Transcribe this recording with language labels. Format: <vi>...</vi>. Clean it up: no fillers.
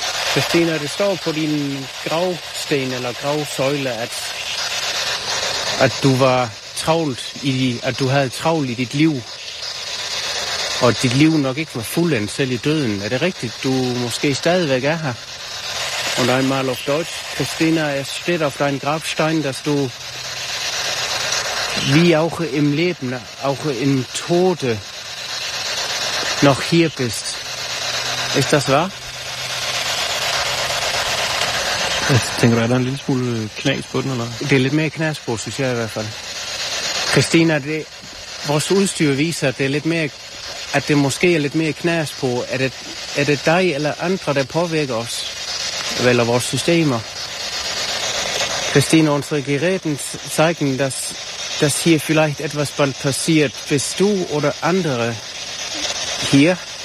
<da>Christina, det står på din gravsten eller gravsøjle, at du var travlt at du havde travlt i dit liv. Og dit liv nok ikke var fuldendt selv i døden. Er det rigtigt? Du måske stadigvæk er her.</da> <de>Und einmal auf Deutsch, Christina, es steht auf deinem Grabstein, dass du wie auch im Leben, auch im Tode noch hier bist. Ist das wahr? Ich denke, da ein kleines bisschen</de> <da>knas på den,</da> <de>oder?</de> <da>Det er lidt mere knas på, synes jeg i hvert fald. Christina, det, vores udstyr viser, at det er lidt mere, at det måske er lidt mere knas på. Er det dig eller andre, der påvirker os? Eller vores systemer.</da> <de>Christine, unsere Geräten zeigen, dass hier vielleicht etwas bald passiert. Bist du oder andere hier?</de>